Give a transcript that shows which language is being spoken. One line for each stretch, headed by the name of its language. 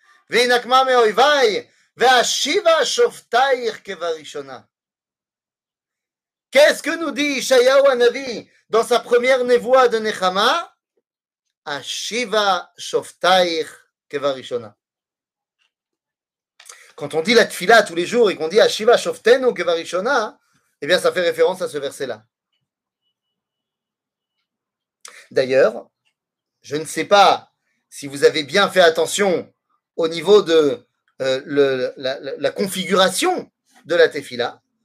Hebrew: והנקמה מאויביי, והשיבה שופטייך כבראשונה.
French: Qu'est-ce que nous dit Ishayahu Anavi dans sa première névoie de Nechama?
Hebrew: השיבה שופטייך כבראשונה.
French: Quand on dit la tefila tous les jours et qu'on dit
Hebrew: השיבה שופטנו כבראשונה,
French: eh bien ça fait référence à ce verset-là. D'ailleurs, je ne sais pas si vous avez bien fait attention au niveau de la configuration de la tefila.